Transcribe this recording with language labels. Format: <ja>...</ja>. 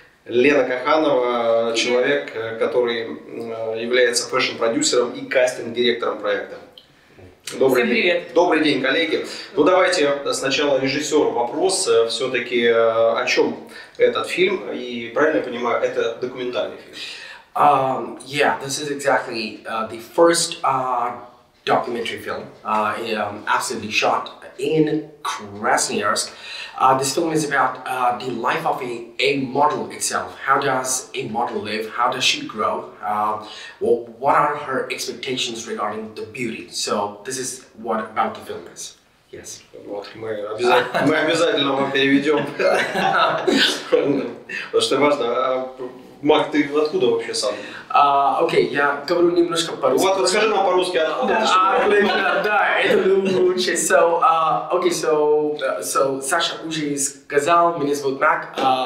<ru>И Лена Каханова – человек, который является фэшн-продюсером и кастинг-директором проекта. Добрый Всем привет. День. Добрый день, коллеги. Ну, давайте сначала режиссеру вопрос. Все-таки о чем этот фильм? И правильно я понимаю, это документальный фильм?</ru> <en>Yeah, this is exactly the first documentary film. Absolutely shot in Krasnoyarsk. This film is about the life of a model itself. How does a model live? How does she grow? Well, what are her expectations regarding the beauty? So this is what about the film is. Yes.</en> <ru>Вот, мы обязательно вам переведем. Потому что важно. Марк, ты откуда вообще сам? Окей, я говорю немножко по-русски. Вот, скажи нам по-русски, откуда ты? Да, это лучше. So, Саша уже сказал, меня зовут Мак.</ru>